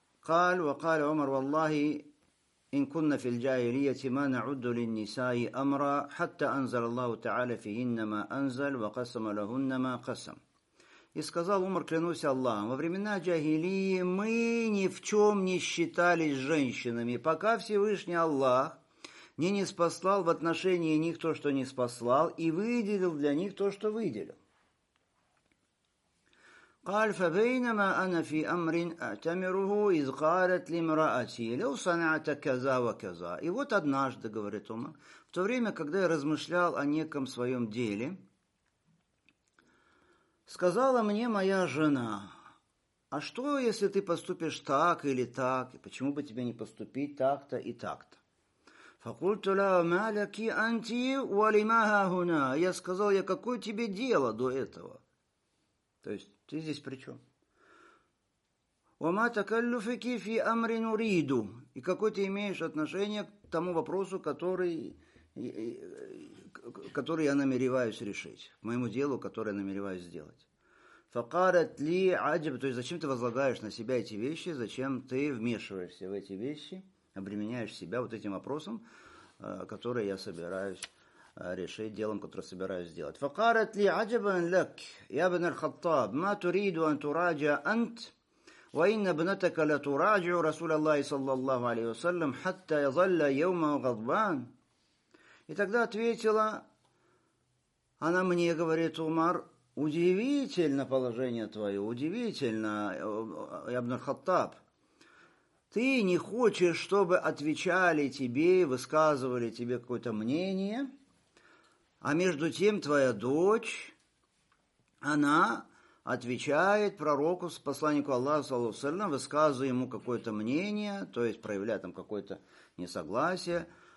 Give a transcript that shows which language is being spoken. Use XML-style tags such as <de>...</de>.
<ar>قَالُ وَقَالَ عُمَرُ وَاللَّهِ إِن كُنَّ فِي الْجَاهِلِيَّةِ مَا نَعُدُّ لِلنِّسَاءِ أَمْرًا حَتَّى أَنْزَلَ اللَّهُ تَعَالَى فِيهِنَّ مَا أَنْزَلَ وَقَسَمَ لَهُنَّ مَا قَسَمَ.</ar> <ru>И сказал Умар, клянусь Аллахом, во времена джахилии мы ни в чем не считались женщинами, пока Всевышний Аллах не ниспослал в отношении них то, что ниспослал, и выделил для них то, что выделил.</ru> <ar>قال فبينما انا في امر اعتمره اذ قالت لامراتي لو صنعت كذا وكذا.</ar> <ru>И вот однажды, говорит он, в то время, когда я размышлял о неком своем деле, сказала мне моя жена, а что, если ты поступишь так или так, почему бы тебе не поступить так-то и так-то?</ru> <ar>فقلت لها ما لك انت ولما هنا.</ar> <ru>Я сказал, я какое тебе дело до этого? То есть ты здесь при чем?</ru> <ar>وَمَا تَكَلُّفِكِ فِي أَمْرٍ أُرِيدُ.</ar> <ru>И какой ты имеешь отношение к тому вопросу, который я намереваюсь решить, к моему делу, которое я намереваюсь сделать?</ru> <ar>فَقَارَتْ لِي عَجِبُ.</ar> <ru>То есть зачем ты возлагаешь на себя эти вещи, зачем ты вмешиваешься в эти вещи, обременяешь себя вот этим вопросом, который я собираюсь решить делом, которое собираюсь сделать.</ru> <ar>فقالت لي عجبا لك يا ابن الخطاب ما تريد ان تراجع انت وان ابنتك لا تراجع رسول الله صلى الله عليه وسلم حتى يظل يوما غضبان.</ar> <ru>И тогда ответила она мне, говорит Умар, удивительно положение твое, удивительно, я ابن الخطاب. Ты не хочешь, чтобы отвечали тебе, высказывали тебе какое-то мнение, а между тем твоя дочь, она отвечает пророку, посланнику Аллаха, саллаллаху алейхи ва саллям, высказывая ему какое-то мнение, то есть проявляя там какое-то несогласие.</ru>